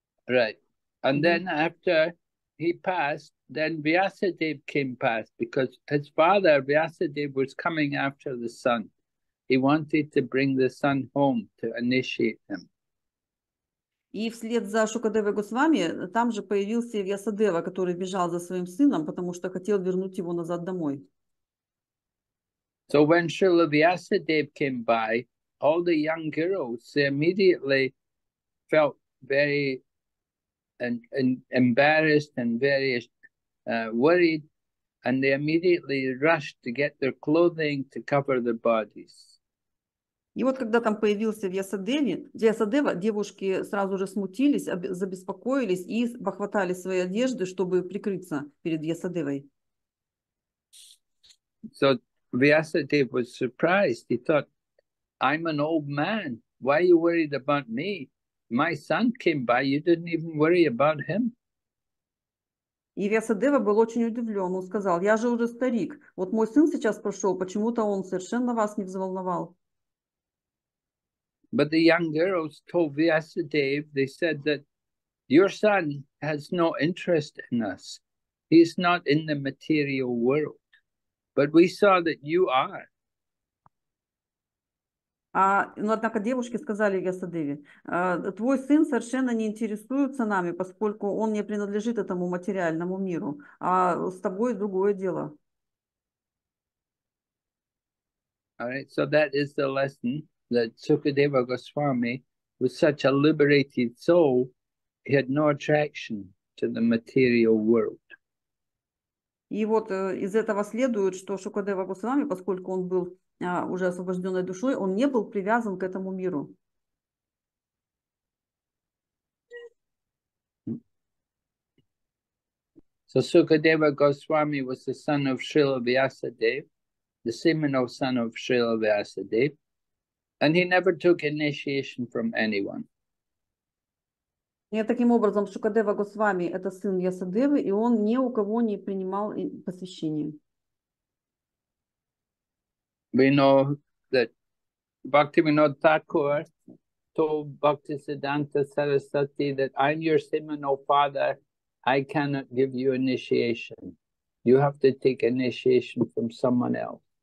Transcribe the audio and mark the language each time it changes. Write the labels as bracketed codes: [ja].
[en] Right, and then after he passed, then Vyasadeva came past, because his father, Vyasadeva, was coming after the son. He wanted to bring the son home to initiate him. [ru] И вслед за Шукадевой Госвами там же появился Вьясадева, который бежал за своим сыном, потому что хотел вернуть его назад домой. [en] So when Srila Vyasadeva came by, all the young girls, they immediately felt very and embarrassed and very worried, and they immediately rushed to get their clothing to cover their bodies. [ru] И вот когда там появился Вьясадева, девушки сразу же смутились, забеспокоились и похватали свои одежды, чтобы прикрыться перед Вьясадевой. [en] So Vyasadeva was surprised. He thought, I'm an old man. Why are you worried about me? My son came by, you didn't even worry about him. [ru] И Вьясадева был очень удивлен. Он сказал, я же уже старик. Вот мой сын сейчас прошел, почему-то он совершенно вас не взволновал. [en] But the young girls told Vyasadeva, they said that your son has no interest in us. He's not in the material world. But we saw that you are. [ru] Однако девушки сказали Ясадеве, твой сын совершенно не интересуется нами, поскольку он не принадлежит этому материальному миру, а с тобой другое дело. [en] All right, so that is the lesson that Sukadeva Goswami was such a liberated soul, he had no attraction to the material world. [ru] И вот из этого следует, что Шукадева Госвами, поскольку он был уже освобожденной душой, он не был привязан к этому миру. [en] So Sukadeva Goswami was the son of Srila Vyasadeva, the seminal son of Srila Vyasadeva, and he never took initiation from anyone. [ru] И таким образом Шукадева Госвами – это сын Ясадевы, и он ни у кого не принимал посвящение. [en] We know that Bhaktivinoda Thakur told Bhaktisiddhanta Sarasvati that I'm your seminal father, I cannot give you initiation. You have to take initiation from someone else.